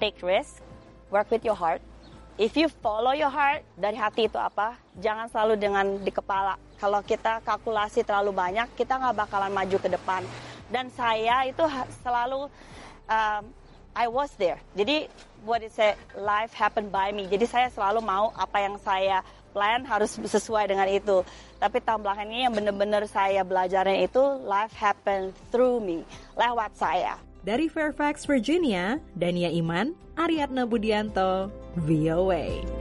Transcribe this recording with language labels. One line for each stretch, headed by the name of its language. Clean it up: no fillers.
English: Take risk, work with your heart. If you follow your heart,
Indonesian: dari hati itu apa? Jangan selalu dengan di kepala. Kalau kita kalkulasi terlalu banyak, kita nggak bakalan maju ke depan. Dan saya itu selalu,
English: I was there.
Indonesian: Jadi,
English: what is it, life happened by me.
Indonesian: Jadi, saya selalu mau apa yang saya plan harus sesuai dengan itu. Tapi tambahannya yang benar-benar saya belajarnya itu,
English: life happened through me,
Indonesian: lewat saya. Dari Fairfax, Virginia, Dania Iman, Ariadna Budianto, VOA.